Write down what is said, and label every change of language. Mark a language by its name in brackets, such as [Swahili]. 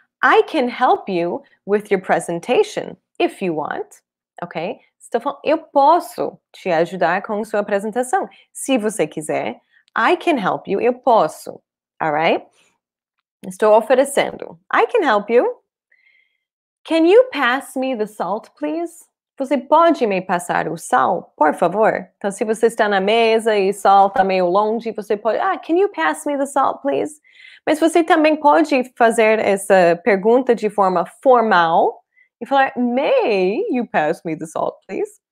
[English] I can help you with your presentation, if you want. Ok? [Portuguese] Estou falando, eu posso te ajudar com sua apresentação, se você quiser. [English] I can help you, [Portuguese] eu posso. [English] All right? [Portuguese] Estou oferecendo. [English] I can help you. Can you pass me the salt, please? [Portuguese] Você pode me passar o sal, por favor? Então, se você está na mesa e o sal está meio longe, você pode... [English] Ah, can you pass me the salt, please? [Portuguese] Mas você também pode fazer essa pergunta de forma formal. E falar, [English] may you pass me the salt, please?